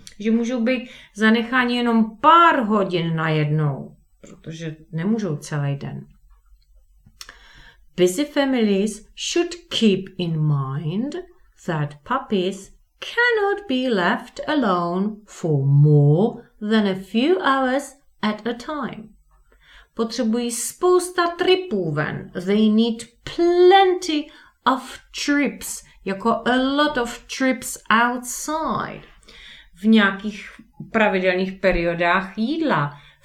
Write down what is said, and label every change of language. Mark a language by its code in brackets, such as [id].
[cs] Že můžou být zanecháni jenom pár hodin najednou, protože nemůžou celý den. [en] Busy families should keep in mind that puppies cannot be left alone for more than a few hours at a time. [cs] Potřebují spousta tripů ven. [en] They need plenty of trips, jako a lot of trips outside. [cs] V nějakých pravidelných periodách jídla.